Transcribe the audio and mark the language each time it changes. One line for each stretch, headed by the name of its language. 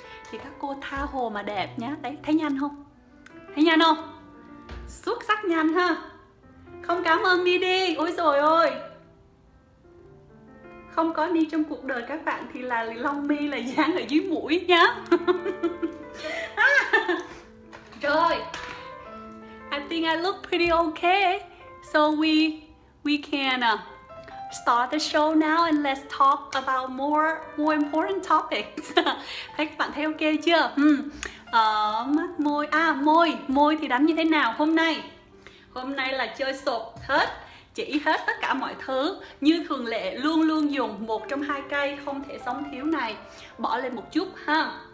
Vietnamese: Thì các cô tha hồ mà đẹp nhá. Đấy, thấy nhanh không? Thấy nhanh không? Xuất sắc nhanh ha. Không cảm ơn Ni đi. Ôi dồi ôi, không có Ni trong cuộc đời các bạn thì là lông mi là dán ở dưới mũi nhá.
English: Rồi, I think I look pretty okay, so we can start the show now and let's talk about more important topics.
Vietnamese: Thấy các bạn thấy ok chưa? Mắt môi, môi thì đánh như thế nào? Hôm nay là chơi sộp hết, chỉ hết tất cả mọi thứ. Như thường lệ, luôn luôn dùng một trong hai cây không thể sống thiếu này, bỏ lên một chút ha.